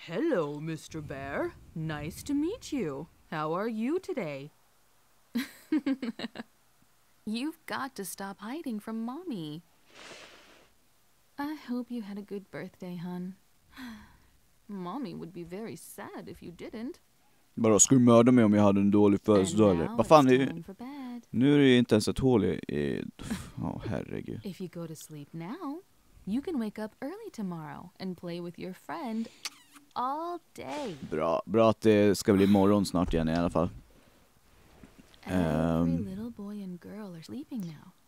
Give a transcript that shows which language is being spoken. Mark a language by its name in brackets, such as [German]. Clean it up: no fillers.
[English] Hello, Mr. Bear. Nice to meet you. How are you today? You've got to stop hiding from Mommy. I hope you had a good birthday, hon. Mommy would be very sad if you didn't. [Swedish] Bara skulle mörda mig om jag hade en dålig födelsedag eller? Vad fan, är ju... Nu är det ju inte ens ett hål i... Åh, herregud. [English] If you go to sleep now, you can wake up early tomorrow and play with your friend all day. [Swedish] Bra, bra att det ska bli morgon snart igen i alla fall. [English] Every little boy and girl are sleeping now.